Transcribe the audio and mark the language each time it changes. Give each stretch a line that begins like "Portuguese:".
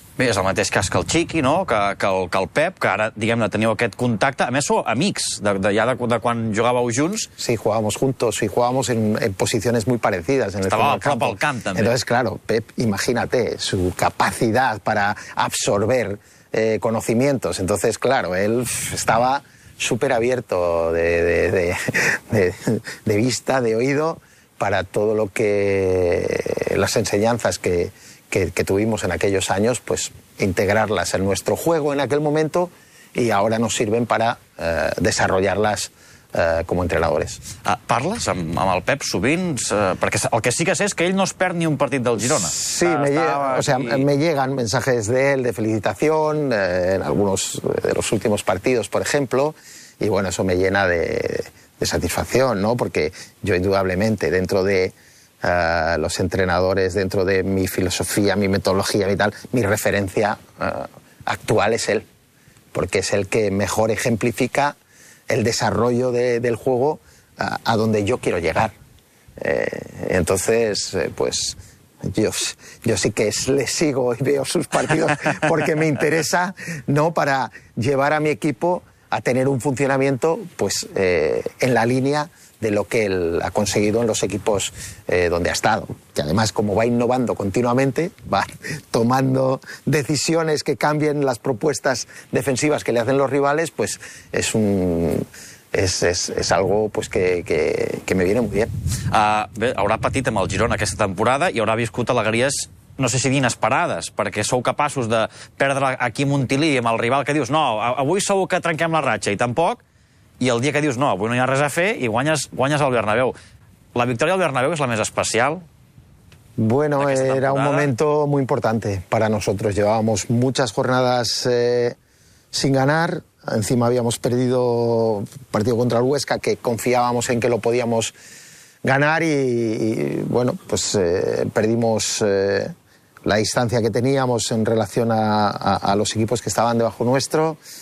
Catalan: Bé, és el mateix cas que el Chiqui, no? que el Pep, que ara, diguem-ne, teniu aquest contacte. A més, sou amics, de quan jugàveu junts.
Spanish: Sí, jugábamos juntos y jugábamos en posiciones muy parecidas.
Catalan: Estava a prop al camp, també.
Spanish: Entonces, claro, Pep, imagínate su capacidad para absorber conocimientos. Entonces, claro, él estaba súper abierto de vista, de oído, para todo lo que las enseñanzas que tuvimos en aquellos años, pues integrarlas en nuestro juego en aquel momento y ahora nos sirven para desarrollarlas como entrenadores.
Catalan: Parles amb el Pep sovint? Perquè el que sí que sé és que ell no es perd ni un partit del Girona.
Spanish: Sí, me llegan mensajes de él de felicitación en algunos de los últimos partidos, por ejemplo, y bueno, eso me llena de satisfacción, ¿no? Porque yo indudablemente dentro de los entrenadores, dentro de mi filosofía, mi metodología y tal, mi referencia actual es él, porque es el que mejor ejemplifica el desarrollo del juego a donde yo quiero llegar. Entonces, pues, Yo sí que le sigo y veo sus partidos porque me interesa, ¿no?, para llevar a mi equipo a tener un funcionamiento pues en la línea de lo que él ha conseguido en los equipos donde ha estado. Que además, como va innovando continuamente, va tomando decisiones que cambien las propuestas defensivas que le hacen los rivales, pues es un... És algo pues que me viene muy bien.
Catalan: Bé, haurà patit amb el Girona aquesta temporada i haurà viscut alegries, no sé si d'inesperades, perquè sou capaços de perdre aquí Montilí amb el rival que dius no, avui segur que trenquem la ratxa, i tampoc, i el dia que dius no, avui no hi ha res a fer, i guanyes el Bernabéu. La victòria al Bernabéu és la més especial?
Spanish: Bueno, era un momento muy importante para nosotros. Llevábamos muchas jornadas sin ganar. Encima habíamos perdido partido contra el Huesca, que confiábamos en que lo podíamos ganar, y bueno, pues perdimos la distancia que teníamos en relación a los equipos que estaban debajo nuestro.